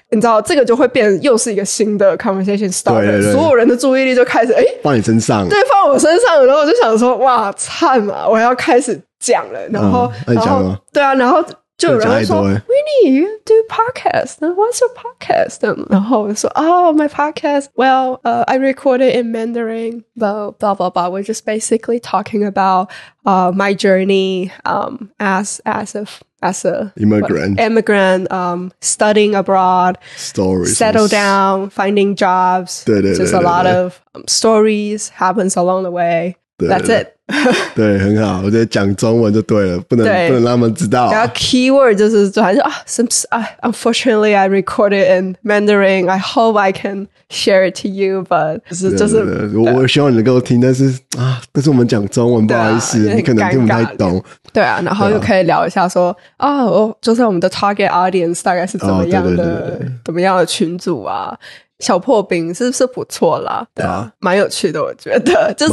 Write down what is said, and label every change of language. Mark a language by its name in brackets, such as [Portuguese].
[Chinese] 你知道这个就会变又是一个新的 conversation starter，对对对，所有人的注意力就开始放你身上，对，放我身上，然后我就想说哇灿啊，我要开始讲了，然后，你讲了吗？对啊，然后就有人会说 [English] Winnie you do podcast， what's your podcast， 然后我就说 oh my podcast well I record it in Mandarin blah blah blah, blah. We're just basically talking about my journey as a immigrant, what, immigrant studying abroad stories settle down finding jobs [Chinese] 对对对对对 [English] just a lot of stories happens along the way that's it [Chinese] 对，很好，我觉得讲中文就对了，不能让他们知道、啊。然后 [English] keyword [Chinese] 就是说， [English] unfortunately I recorded in Mandarin. I hope I can share it to you, but [Chinese] 就是我希望你能够听，但是我们讲中文，啊、不好意思，你可能听不太懂。对啊，然后又可以聊一下说，就是我们的 target audience 大概是怎么样的，哦、对对对对对，怎么样的群组啊？小破冰是不是不错啦，对啊，蛮有趣的，我觉得就是